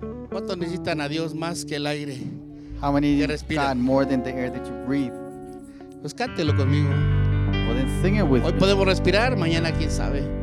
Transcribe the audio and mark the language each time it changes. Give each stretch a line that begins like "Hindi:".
Spanish: ¿Cuánto necesitan a Dios más que el aire?
English: How many need God more than the air that you breathe?
Spanish: Pues cántelo conmigo.
English: Well, then sing it with
Spanish: Hoy podemos respirar, mañana quién sabe.